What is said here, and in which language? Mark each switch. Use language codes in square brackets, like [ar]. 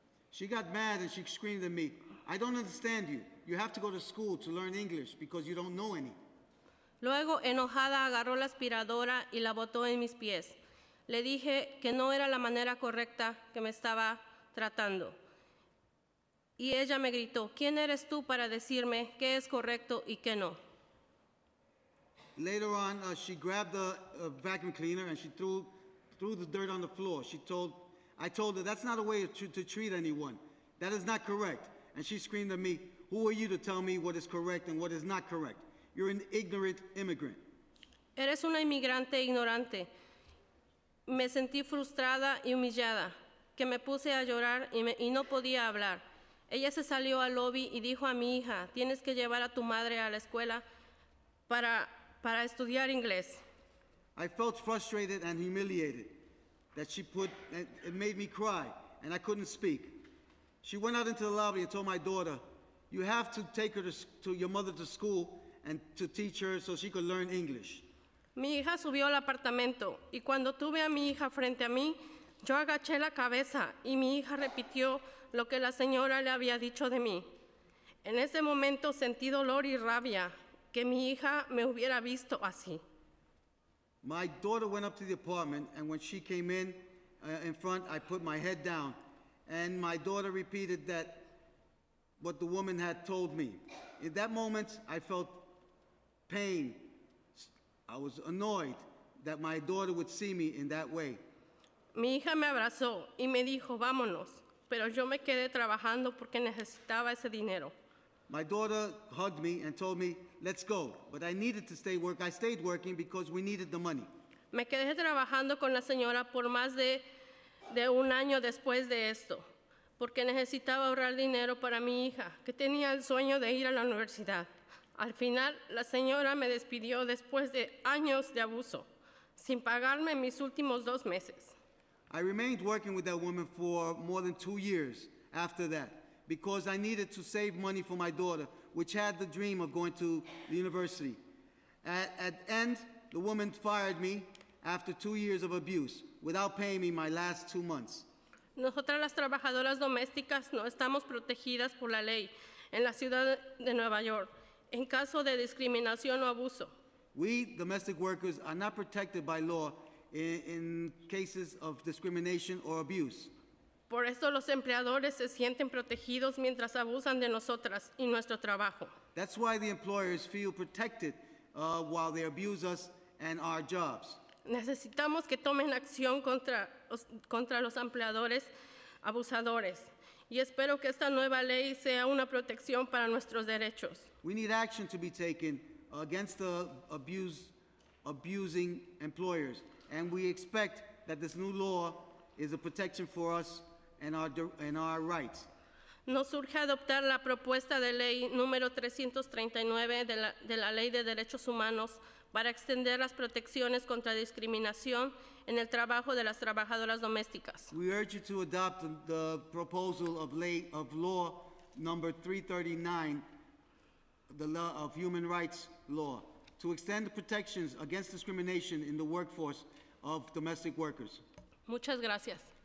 [en] She got mad and she screamed at me, I don't understand you. You have to go to school to learn English because you don't know any. [es] Luego, enojada, agarró la aspiradora y la botó en mis pies. Le dije que no era la manera correcta que me estaba tratando. Y ella me gritó, ¿quién eres tú para decirme qué es correcto y qué no? [en] Later on, she grabbed the vacuum cleaner and she threw the dirt on the floor. I told her, that's not a way to treat anyone. That is not correct. And she screamed at me, who are you to tell me what is correct and what is not correct? You're an ignorant immigrant. [es] Eres una inmigrante ignorante. Me sentí frustrada y humillada, que me puse a llorar y no podía hablar. Ella se salió al lobby y dijo a mi hija, tienes que llevar a tu madre a la escuela para estudiar inglés. [en] I felt frustrated and humiliated that she put, it made me cry and I couldn't speak. She went out into the lobby and told my daughter, you have to take her to your mother to school and to teach her so she could learn English. [es] Mi hija subió al apartamento y cuando tuve a mi hija frente a mí, yo agaché la cabeza y mi hija repitió lo que la señora le había dicho de mí. En ese momento sentí dolor y rabia que mi hija me hubiera visto así. [en] My daughter went up to the apartment, and when she came in front, I put my head down, and my daughter repeated that what the woman had told me. In that moment, I felt pain. I was annoyed that my daughter would see me in that way. [es] Mi hija me abrazó y me dijo, vámonos. Pero yo me quedé trabajando porque necesitaba ese dinero. [en] My daughter hugged me and told me, let's go. But I needed to stay work. I stayed working because we needed the money. [es] Me quedé trabajando con la señora por más de un año después de esto, porque necesitaba ahorrar dinero para mi hija, que tenía el sueño de ir a la universidad. Al final, la señora me despidió después de años de abuso, sin pagarme mis últimos dos meses. [en] I remained working with that woman for more than 2 years after that, because I needed to save money for my daughter, which had the dream of going to the university. At the end, the woman fired me after 2 years of abuse, without paying me my last 2 months. [es] Nosotras las trabajadoras domésticas no estamos protegidas por la ley en la ciudad de Nueva York en caso de discriminación o abuso. [en] We domestic workers are not protected by law in cases of discrimination or abuse. [es] Por eso los empleadores se sienten protegidos mientras abusan de nosotras y nuestro trabajo. [en] That's why the employers feel protected while they abuse us and our jobs. [es] Necesitamos que tomen acción contra los empleadores abusadores y espero que esta nueva ley sea una protección para nuestros derechos. [en] We need action to be taken against the abusing employers, and we expect that this new law is a protection for us and our rights. [es] Nos urge adoptar la propuesta de ley número 339 de la Ley de Derechos Humanos para extender las protecciones contra discriminación en el trabajo de las trabajadoras domésticas. [en] We urge you to adopt the proposal of law number 339, the law of human rights law, to extend the protections against discrimination in the workforce of domestic workers. [es] Muchas gracias.